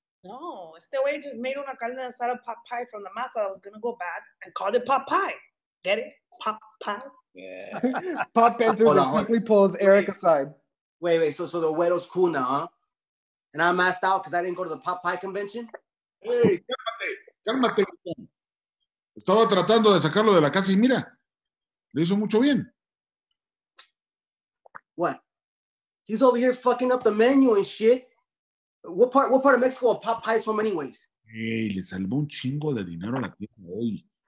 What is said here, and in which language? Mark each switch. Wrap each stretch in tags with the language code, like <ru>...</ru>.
<en>No, este way just made una carne asada pot pie from the masa that was going to go bad and called it pot pie. Get it? Pot pie? Yeah. Pop enters and quickly pulls Eric aside. Wait. So the güero's cool now, huh? And I'm asked out because I didn't go to the pot pie convention?</en> <es>Hey, cálmate. Estaba tratando de sacarlo de la casa y mira, le hizo mucho bien.</es> <en>What? He's over here fucking up the menu and shit. What part of Mexico are pot pies from anyways?</en> <es>Hey, le salvó un chingo de dinero a la tienda hoy.</es>